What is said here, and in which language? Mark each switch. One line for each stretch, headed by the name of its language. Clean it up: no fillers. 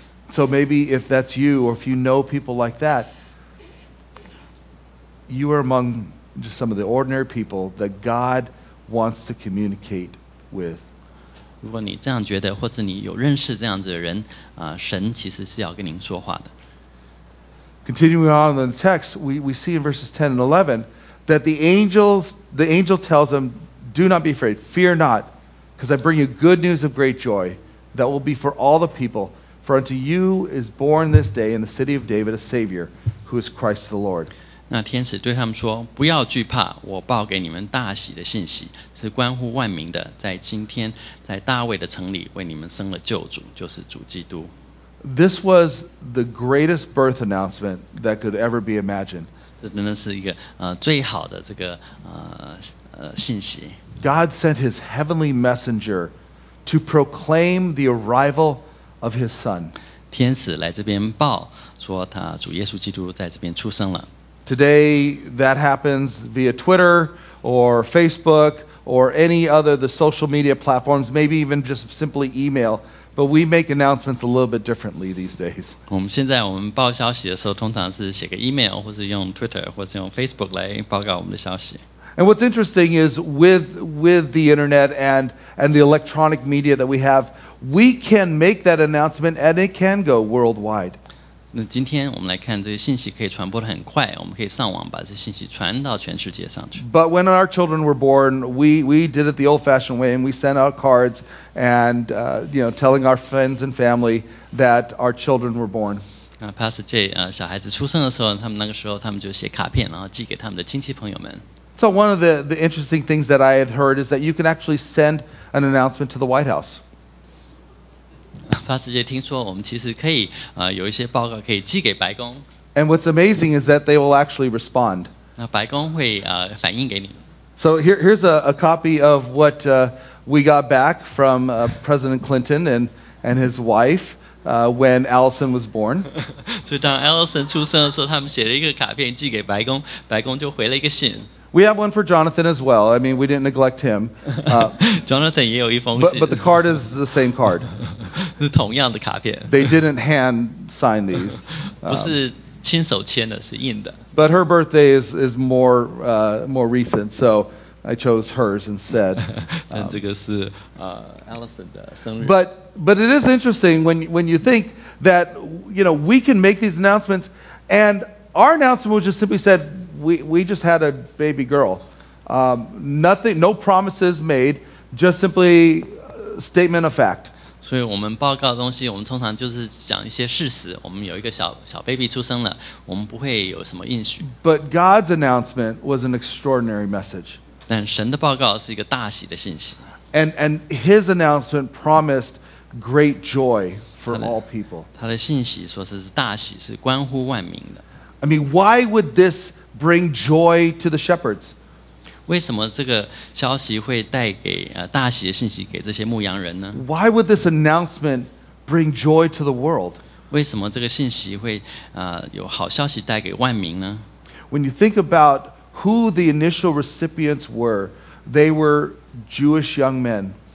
English: So maybe if that's you, or if you know people like that, you are among just some of the ordinary people that God wants to communicate with.
Chinese: 如果你这样觉得，或者你有认识这样子的人，神其实是要跟您说话的。
English: Continuing on in the text, we see in verses 10 and 11 that the angel tells them, "Do not be afraid, fear not, because I bring you good news of great joy that will be for all the people." For unto you is born this day in the city of David a Savior, who is Christ the Lord.
Chinese: 那天使对他们说：“不要惧怕，我报给你们大喜的信息，是关乎万民的，在今天在大卫的城里为你们生了救主，就是主基督。”
English: This was the greatest birth announcement that could ever be imagined.
Chinese: 这真的是一个最好的这个信息。
English: God sent His heavenly messenger to proclaim the arrival. Of his son.
Chinese: 天使来这边报说他主耶稣基督在这边出生了。
English: Today that happens via Twitter or Facebook or any other the social media platforms, maybe even just simply email. But we make announcements a little bit differently these days.
Chinese: 我们现在我们报消息的时候，通常是写个 email， 或是用 Twitter， 或是用 Facebook 来报告我们的消息。
English: And what's interesting is with the internet and the electronic media that we have. We can make that announcement and it can go worldwide.
Chinese: 那今天我们来看这些信息可以传播得很快，我们可以上网把这些信息传到全世界上去。
English: But when our children were born, we did it the old-fashioned way and we sent out cards and telling our friends and family that our children were born.
Chinese: Pastor Jay, 小孩子出生的时候，他们那个时候他们就写卡片，然后寄给他们的亲戚朋友们。
English: So one of the interesting things that I had heard is that you can actually send an announcement to the White House.
Chinese: Pastor Jay 听说我们其实可以、有一些报告可以寄给白宫。
English: And what's amazing is that they will actually respond.
Chinese: 那白宫会、反应给你。
English: So here's a copy of what、we got back from、President Clinton and his wife、when Allison was born.
Chinese: 所以当 Allison 出生的时候，他们写了一个卡片寄给白宫，白宫就回了一个信。
English: We have one for Jonathan as well. I mean, we didn't neglect him.、
Chinese: Jonathan 也有一封信。
English: But the card is the same card.
Chinese: 是同样的卡片。
English: They didn't hand sign these.
Chinese: 不是亲手签的，是印的。
English: But her birthday is more,、more recent, so I chose hers instead.
Chinese: 但这个是、Allison 的生日。
English: But it is interesting when you think that, you know, we can make these announcements, and our announcement was just simply said,We just had a baby girl. Nothing, no promises made, just simply statement of fact.
Chinese: 所以我们报告的东西，我们通常就是讲一些事实。我们有一个小 baby 出生了，我们不会有什么应许。
English: But God's announcement was an extraordinary message.
Chinese: 但神的报告是一个大喜的信息。
English: And His announcement promised great joy for all people.
Chinese: 他的信息说是大喜，是关乎万民的。
English: I mean, why would this bring joy to the shepherds?
Chinese: 为什么这个消息会带给大喜的信息给这些牧羊人呢？
English: Why would this announcement bring joy to the world?
Chinese: 为什么这个信息会有好消息带给万民呢？
English: When you think about who the initial recipients were, they were Jewish young men.